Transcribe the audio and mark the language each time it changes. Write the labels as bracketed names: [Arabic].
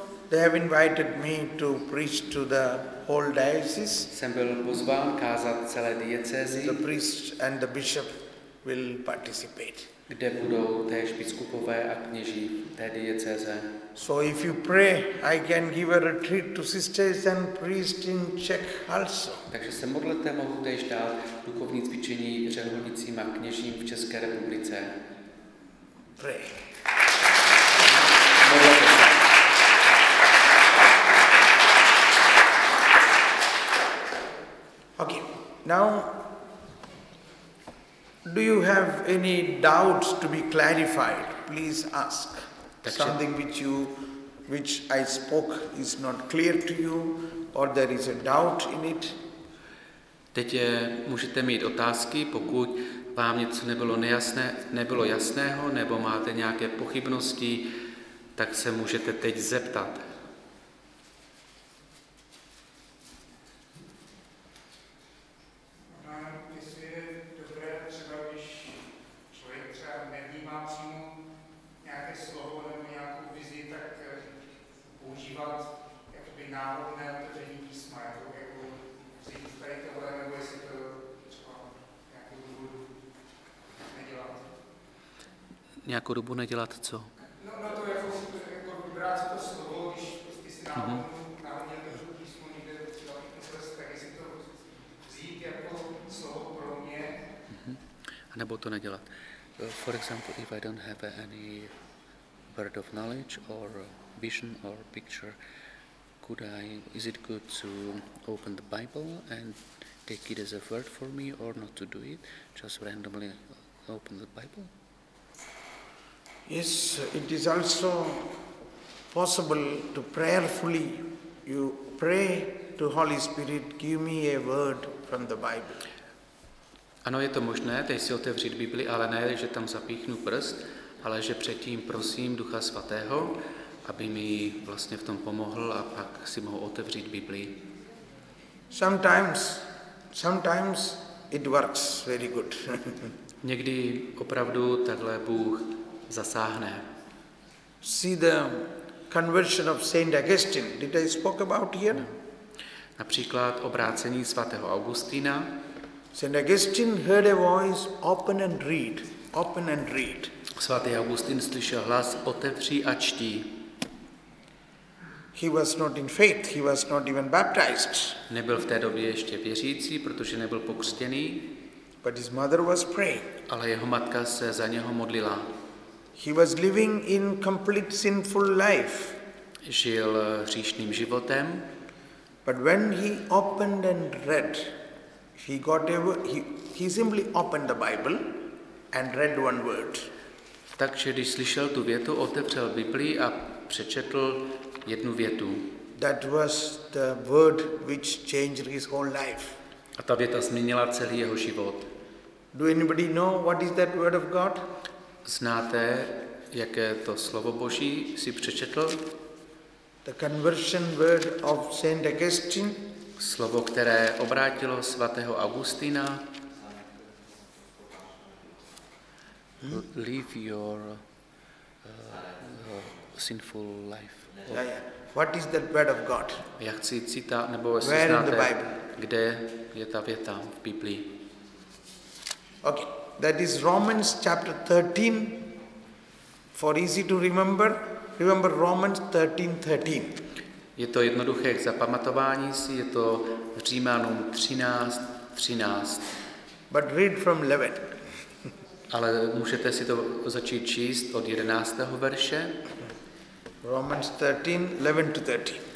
[English] They have invited me to preach to the whole diocese. [Czech] Jsem byl pozván kázat celé diecézi. [English] The priest and the bishop will participate. [Czech] kde budou též biskupové a kněží té diecéze. [English] So if you pray, I can give a retreat to sisters and priests in Czech also. [Czech] Takže se modlete, mohu též dát duchovní cvičení řeholnicím a kněžím v České republice. [English] Pray. Okay. Now, do you have any doubts to be clarified? Please ask. [Czech] Takže, [English] something which I spoke is not clear to you, or there is a doubt in it. [Czech] Teď je, můžete mít otázky, pokud vám něco nebylo nejasné, nebylo jasného, nebo máte nějaké pochybnosti, tak se můžete teď zeptat. Nějakou dobu nedělat co? No to je jako vybrát si to slovo, když prostě si náhodně to řík písmo někde třeba vyprost, tak jestli to vzít jako slovo pro mě. A nebo to nedělat. [English] For example, if I don't have any word of knowledge or vision or picture, is it good to open the Bible and take it as a word for me or not to do it, just randomly open the Bible? Yes, it is also possible to prayerfully you pray to Holy Spirit, give me a word from the Bible. [Czech] Ano, je to možné, teď si otevřít Bibli, ale ne, že tam zapíchnu prst, ale že předtím prosím Ducha Svatého, aby mi vlastně v tom pomohl a pak si mohu otevřít Bibli. [English] Sometimes it works very good. [Czech] Někdy opravdu takhle Bůh zasáhne. [English] See the conversion of Saint Augustine. Did I speak about here? No. [Czech] Například obrácení svatého Augustína. [English] Saint Augustine heard a voice, open and read, open and read. [Czech] Svatý Augustín slyšel hlas, otevři a čti. [English] He was not in faith, he was not even baptized. [Czech] Nebyl v té době ještě věřící, protože nebyl pokřtěný. [English] But his mother was praying. [Czech] Ale jeho matka se za něho modlila. [English] He was living in complete sinful life. [Czech] Žil hříšným životem. [English] But when he opened and read, he simply opened the Bible and read one word. [Czech] Takže když slyšel tu větu, otevřel Bibli a přečetl jednu větu. [English] That was the word which changed his whole life. [Czech] A ta věta změnila celý jeho život. [English] Do anybody know what is that word of God? [Czech] Znáte, jaké to slovo Boží si přečetl? [English] The conversion word of Saint Augustine. [Czech] Slovo, které obrátilo svatého Augustina. [English] Leave your sinful life. Yeah. What is that word of God? [Czech] Jak si cita, nebo jestli znáte, [English] where in the Bible? [Czech] Kde je ta věta v Biblii? [English] Okay. That is Romans chapter 13, for easy to remember, remember Romans 13:13. [Czech] Je to jednoduché k zapamatování si, je to Římanům 13:13. [English] But read from 11. [Czech] Ale můžete si to začít číst od 11. verše. [English] Romans 13:11-13.